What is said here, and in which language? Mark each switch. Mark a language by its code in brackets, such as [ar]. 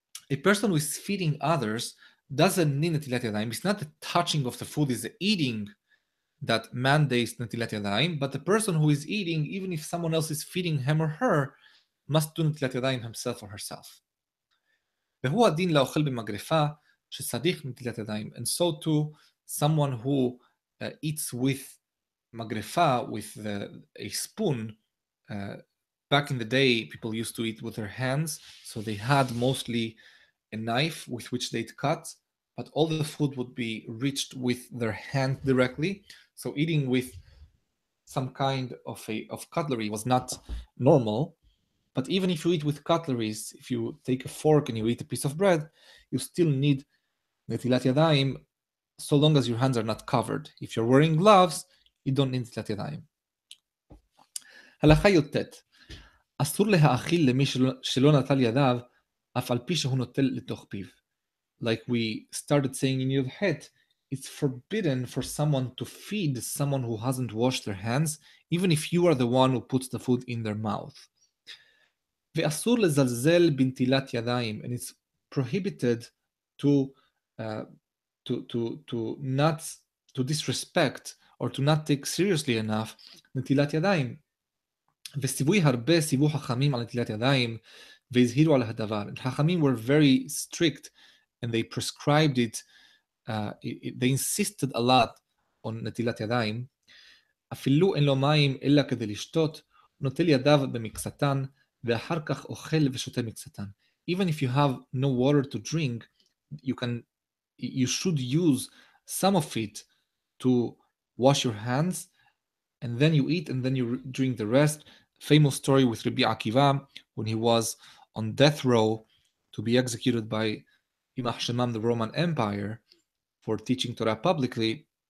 [en] A person who is feeding others doesn't need netilat yadayim. It's not the touching of the food, it's the eating that mandates netilat yadayim. But the person who is eating, even if someone else is feeding him or her, must do netilat yadayim himself or herself. [he] והוא הדין לאוכל במגרפה שצריך נטילת ידיים. [en] And so too, someone who eats with magrefa, with a spoon. Back in the day, people used to eat with their hands, so they had mostly a knife with which they'd cut, but all the food would be reached with their hand directly. So eating with some kind of cutlery was not normal. But even if you eat with cutleries, if you take a fork and you eat a piece of bread, you still need netilat yadayim, so long as your hands are not covered. If you're wearing gloves, you don't need netilat yadayim. [he] הלכה יוטט. אסור להאכיל למי שלא נטל ידיו, אף על פי שהוא נוטל לתוך פיו. [en] Like we started saying in Yud Het, it's forbidden for someone to feed someone who hasn't washed their hands, even if you are the one who puts the food in their mouth. [he] ואסור לזלזל בנטילת ידיים, [en] and it's prohibited to disrespect or to not take seriously enough נטילת ידיים. [he] וסיווי הרבה סיווי חכמים על נטילת ידיים והזהירו על הדבר. [en] And חכמים were very strict and they prescribed it, they insisted a lot on נטילת ידיים. [he] אפילו אין לו מים אלא כדי לשתות, נוטל ידיו במקצתן ואחר כך אוכל ושותה מקצתן. [en] Even if you have no water to drink, you should use some of it to wash your hands, and then you eat and then you drink the rest. Famous story with Rabbi Akiva when he was on death row to be executed by Yimach Shemam, the Roman Empire, for teaching Torah publicly.